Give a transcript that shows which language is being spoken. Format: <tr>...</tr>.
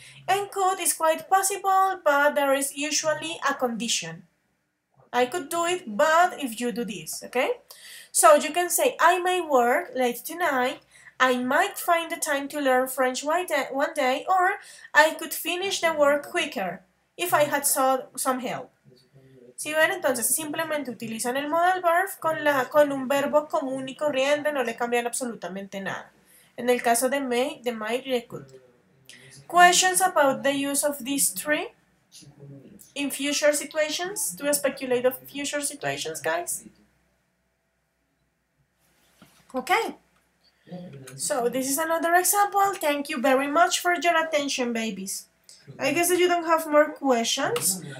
<en>And could is quite possible, but there is usually a condition. I could do it, but if you do this, okay? So you can say, I may work late tonight, I might find the time to learn French one day, or I could finish the work quicker if I had sought some help.</en> <es>Si ven, entonces simplemente utilizan el modal verb con un verbo común y corriente, no le cambian absolutamente nada. En el caso de may, de might, de could.</es> <en>Questions about the use of these three in future situations, to speculate of future situations, guys? Okay, so this is another example. Thank you very much for your attention, babies. I guess that you don't have more questions.</en>